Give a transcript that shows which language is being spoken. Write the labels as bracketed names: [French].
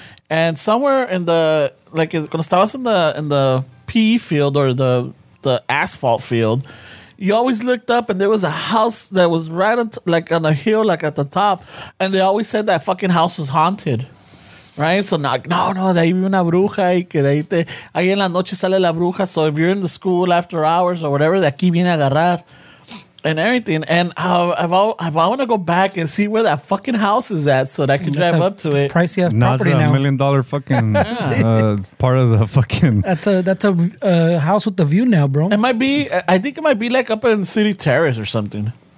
[English] And somewhere in the, like, when I was in the PE field or the asphalt field, you always looked up and there was a house that was right on the hill, like at the top. And they always said that fucking house was haunted. Right? So, [Spanish] no, de ahí vive una bruja. Y que de ahí en la noche sale la bruja. [English] So, if you're in the school after hours or whatever, [Spanish] de aquí viene a agarrar. [English] And everything, and I want to go back and see where that fucking house is at, so that I can drive up to it. Pricey ass property now. $1 million fucking part of the fucking. That's a house with the view now, bro. I think it might be like up in City Terrace or something.